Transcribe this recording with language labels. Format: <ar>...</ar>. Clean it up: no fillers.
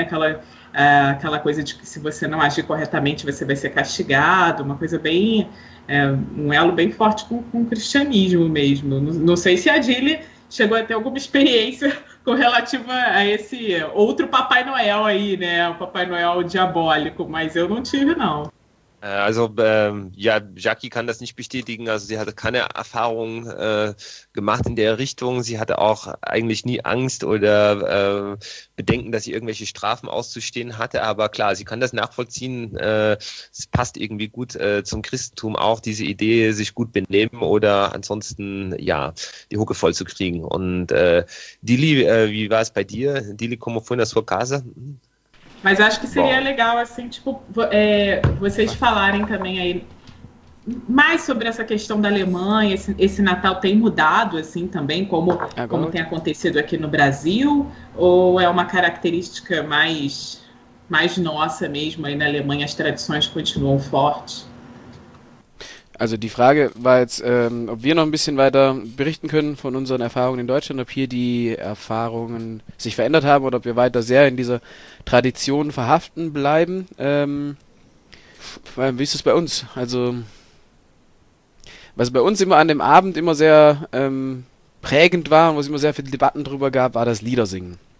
<pt>Aquela coisa de que se você não agir corretamente, você vai ser castigado. Uma coisa bem... um elo bem forte com o cristianismo mesmo. Não sei se a Dili chegou a ter alguma experiência com relativa a esse outro Papai Noel aí, né? O Papai Noel diabólico, mas eu não tive, não.</pt> <de>Also, ja, Jackie kann das nicht bestätigen. Also, sie hatte keine Erfahrung gemacht in der Richtung. Sie hatte auch eigentlich nie Angst oder Bedenken, dass sie irgendwelche Strafen auszustehen hatte. Aber klar, sie kann das nachvollziehen. Es passt irgendwie gut zum Christentum auch, diese Idee, sich gut benehmen oder ansonsten, ja, die Hucke voll zu kriegen. Und Dili, wie war es bei dir?</de> <pt>Dili, como foi na sua casa? Mas acho que seria legal, assim, tipo, vocês falarem também aí mais sobre essa questão da Alemanha, esse Natal tem mudado, assim, também, como tem acontecido aqui no Brasil, ou é uma característica mais nossa mesmo aí na Alemanha, as tradições continuam fortes?</pt> <de>Also die Frage war jetzt, ob wir noch ein bisschen weiter berichten können von unseren Erfahrungen in Deutschland, ob hier die Erfahrungen sich verändert haben oder ob wir weiter sehr in dieser Tradition verhaften bleiben. Wie ist es bei uns? Also was bei uns immer an dem Abend immer sehr prägend war und was immer sehr viele Debatten drüber gab, war das Liedersingen.</de>